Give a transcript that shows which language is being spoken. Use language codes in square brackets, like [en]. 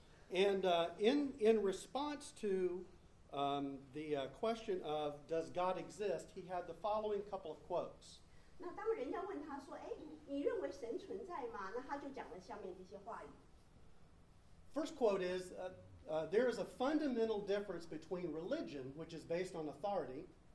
[en] And in response to the question of does God exist, he had the following couple of quotes. [zh] 那当人家问他说，哎，你认为神存在吗？那他就讲了下面这些话语。 [en] First quote is, there is a fundamental difference between religion, which is based on authority.